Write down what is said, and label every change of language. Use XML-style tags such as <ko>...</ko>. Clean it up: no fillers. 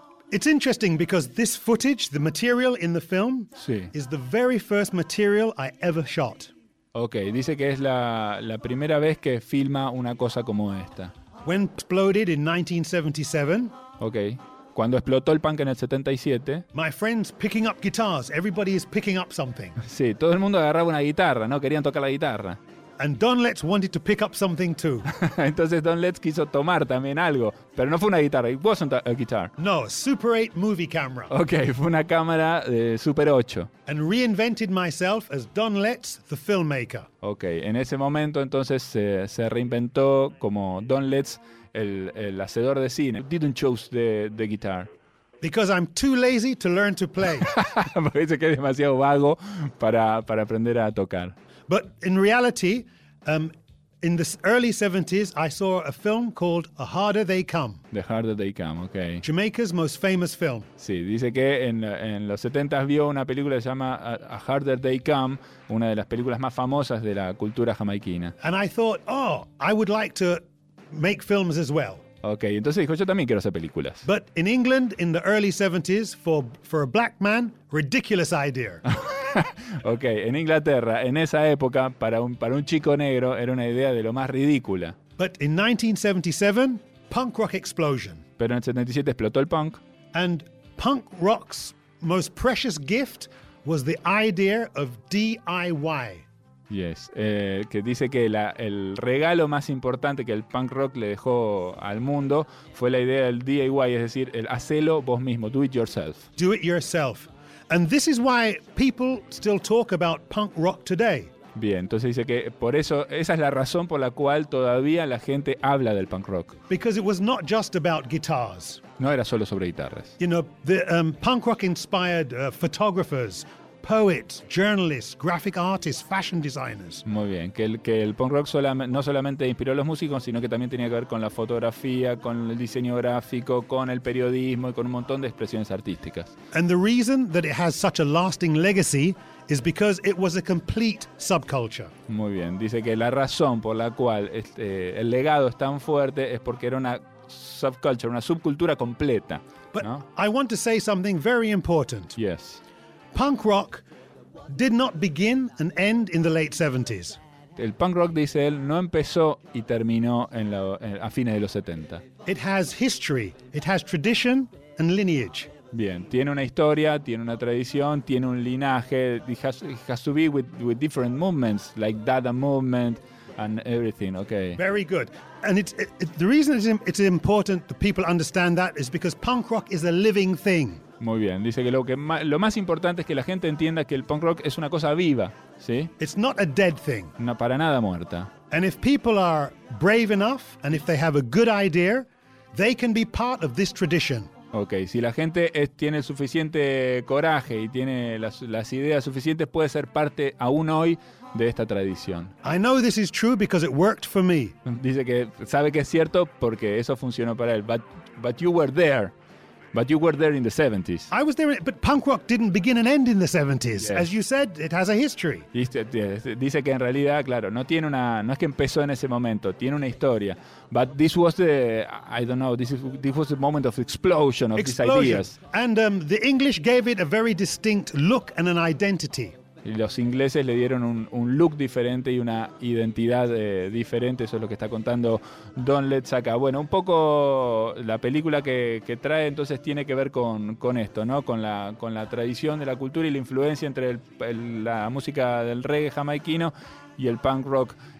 <en>It's interesting because this footage, the material in the film,</en> <es>sí,</es> <en>is the very first material I ever shot.</en> <es>Okay, dice que es la primera vez que filma una cosa como esta.</es> <en>When exploded in 1977. Okay.</en> <es>Cuando explotó el punk en el 77.</es> <en>My friends picking up guitars. Everybody is picking up something.</en> <es>Sí, todo el mundo agarraba una guitarra, ¿no? Querían tocar la guitarra.</es> <en>And Don Letts wanted to pick up something too.</en> <es>Entonces Don Letts quiso tomar también algo, pero no fue una guitarra.</es> <en>It wasn't a guitar. No, a Super 8 movie camera.</en> <es>Okay, fue una cámara de Super 8.</es> <en>And reinvented myself as Don Letts, the filmmaker.</en> <es>Okay, en ese momento entonces se reinventó como Don Letts, el hacedor de cine.</es> <en>Didn't choose the guitar. Because I'm too lazy to learn to play.</en> <es>Porque dice que es demasiado vago para aprender a tocar.</es> <en>But in reality, in the early 70s, I saw a film called The Harder They Come. The Harder They Come, okay. Jamaica's most famous film.</en> <es>Sí, dice que en los 70s vio una película que se llama A Harder They Come, una de las películas más famosas de la cultura jamaiquina.</es> <en>And I thought, oh, I would like to make films as well.</en> <es>Okay, entonces dijo, yo también quiero hacer películas.</es> <en>But in England, in the early 70s, for a black man, ridiculous idea.</en> <es>Okay, en Inglaterra, en esa época, para un chico negro, era una idea de lo más ridícula.</es> <en>But in 1977, punk rock explosion.</en> <es>Pero en el 77 explotó el punk.</es> <en>And punk rock's most precious gift was the idea of DIY.</en> <es>Yes, que dice que el regalo más importante que el punk rock le dejó al mundo fue la idea del DIY, es decir, el hacelo vos mismo,</es> <en>do it yourself. Do it yourself. And this is why people still talk about punk rock today.</en> <es>Bien, entonces dice que por eso, esa es la razón por la cual todavía la gente habla del punk rock.</es> <en>Because it was not just about guitars.</en> <es>No era solo sobre guitarras.</es> <en>You know, the punk rock inspired photographers, poets, journalists, graphic artists, fashion designers.</en> <es>Muy bien, que el punk rock no solamente inspiró a los músicos, sino que también tenía que ver con la fotografía, con el diseño gráfico, con el periodismo y con un montón de expresiones artísticas.</es> <en>And the reason that it has such a lasting legacy is because it was a complete subculture.</en> <es>Muy bien, dice que la razón por la cual el legado es tan fuerte es porque era una subculture, una subcultura completa.</es> <en>But</en> <es>¿no?</es> <en>I want to say something very important. Yes. Punk rock did not begin and end in the late 70s.</en> <es>El punk rock, dice él, no empezó y terminó a fines de los 70.</es> <en>It has history, it has tradition and lineage.</en> <es>Bien, tiene una historia, tiene una tradición, tiene un linaje.</es> <en>It has to be with different movements, like Dada movement and everything, okay. Very good. And the reason it's important that people understand that is because punk rock is a living thing.</en> <es>Muy bien, dice que lo más importante es que la gente entienda que el punk rock es una cosa viva, ¿sí?</es> <en>It's not a dead thing.</en> <es>No, para nada muerta.</es> <en>And if people are brave enough and if they have a good idea, they can be part of this tradition.</en> <es>Okay, si la gente tiene el suficiente coraje y tiene las ideas suficientes, puede ser parte aún hoy de esta tradición.</es> <en>I know this is true because it worked for me.</en> <es>Dice que sabe que es cierto porque eso funcionó para él.</es> <en>But you were there. But you were there in the 70s. I was there, but punk rock didn't begin and end in the 70s. Yes. As you said, it has a history.</en> <es>Dice que en realidad, claro, no es que empezó en ese momento, tiene una historia.</es> <en>But this was the, I don't know, this was the moment of explosion of explosion. These ideas. And the English gave it a very distinct look and an identity.</en> <es>Y los ingleses le dieron un look diferente y una identidad diferente. Eso es lo que está contando Don Letts acá. Bueno, un poco la película que trae entonces tiene que ver con esto, ¿no? Con la tradición de la cultura y la influencia entre la música del reggae jamaiquino y el punk rock.</es>